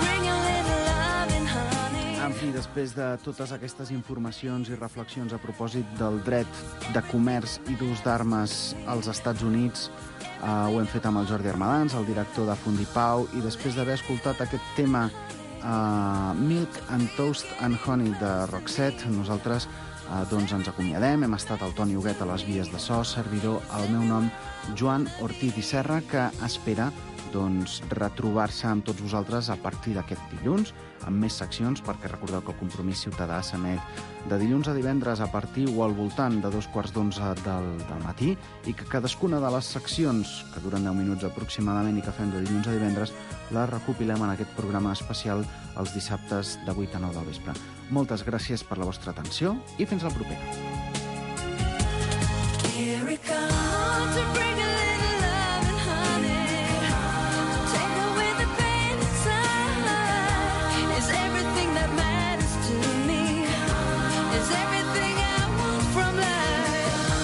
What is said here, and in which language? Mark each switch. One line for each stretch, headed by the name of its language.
English: Bring a little love and honey.
Catalan: En fi, després de totes aquestes informacions i reflexions a propòsit del dret de comerç i d'ús d'armes als Estats Units, ho hem fet amb el Jordi Armadans, el director de Fundipau, i després d'haver escoltat aquest tema Milk and Toast and Honey de Roxette, nosaltres doncs ens acomiadem. Hem estat el Toni Huguet a les vies de so, servidor, el meu nom Joan Ortiz i Serra, que espera doncs retrobar-se amb tots vosaltres a partir d'aquest dilluns amb més seccions, perquè recordeu que el Compromís Ciutadà s'emet de dilluns a divendres a partir o al voltant de 11:45 del matí, i que cadascuna de les seccions, que duren 10 minuts aproximadament i que fem de dilluns a divendres, la recopilem en aquest programa especial els dissabtes de 8 a 9 del vespre. Moltes gràcies per la vostra atenció i fins la propera.
English: Here it comes to bring a little love and honey. Take away the pain inside. Is everything that matters to me? Is everything I want from life?